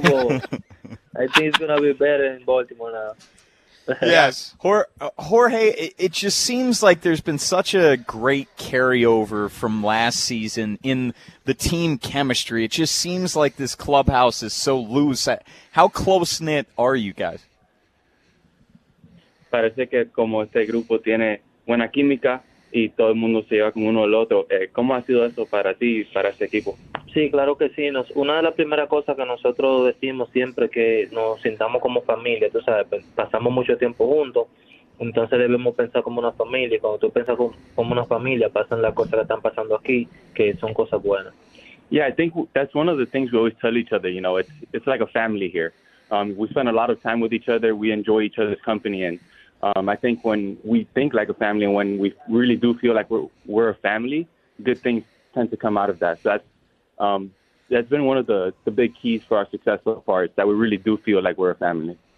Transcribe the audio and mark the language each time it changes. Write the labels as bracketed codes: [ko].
[en] But I think it's going to be better in Baltimore now. Yes. Jorge, it just seems like there's been such a great carryover from last season in the team chemistry. It just seems like this clubhouse is so loose. How close-knit are you guys? [es] Parece que como este grupo tiene buena química, y todo el mundo se lleva con uno el otro. ¿Cómo ha sido eso para ti y para este equipo? Sí, claro que sí. Una de las primeras cosas que nosotros decimos siempre es que nos sintamos como familia. Tú sabes, pasamos mucho tiempo juntos, entonces debemos pensar como una familia. Y cuando tú piensas como una familia, pasan las cosas que están pasando aquí, que son cosas buenas. [en] Yeah, I think that's one of the things we always tell each other. You know, it's like a family here. We spend a lot of time with each other. We enjoy each other's company. And I think when we think like a family and when we really do feel like we're a family, good things tend to come out of that. So that's been one of the big keys for our success so far, is that we really do feel like we're a family.